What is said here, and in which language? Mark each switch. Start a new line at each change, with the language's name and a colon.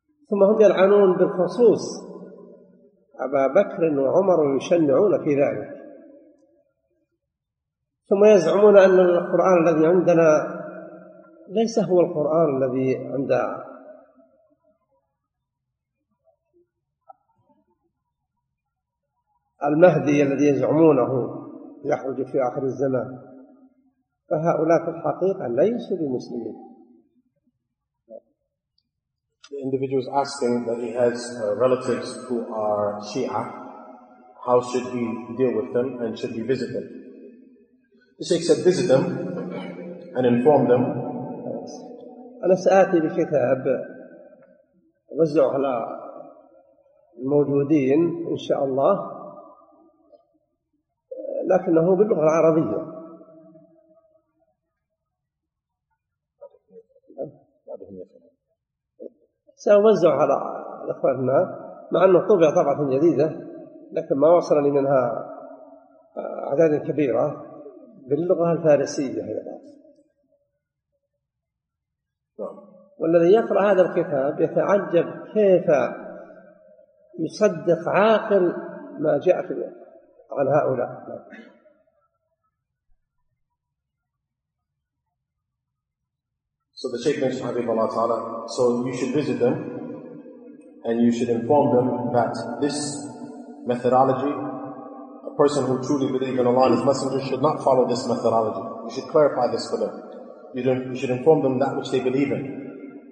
Arabic: ثم هم يلعنون بالخصوص أبا بكر وعمر ويشنعون في ذلك، ثم يزعمون أن القرآن الذي عندنا ليس هو القرآن الذي عند المهدي الذي يزعمونه يخرج في آخر الزمان. فهؤلاء في الحقيقة ليسوا بمسلمين.
English: The individual is asking that he has relatives who are Shia, how should he deal with them and should he visit them? The Shaykh said, visit them and inform them.
Arabic: أنا سآتي بكتاب وزع على الموجودين إن شاء الله، لكنه باللغة العربية. سأوزع على أخواننا، مع أنه طبع طبعة جديدة لكن ما وصلني منها أعداد كبيرة باللغة الفارسية. والذي يقرأ هذا الكتاب يتعجب كيف يصدق عاقل ما جاء عن هؤلاء.
English: So the Shaykh mentioned Habibullah Ta'ala, so you should visit them and you should inform them that this methodology, a person who truly believes in Allah and His Messenger should not follow this methodology. You should clarify this for them. You should inform them that which they believe in.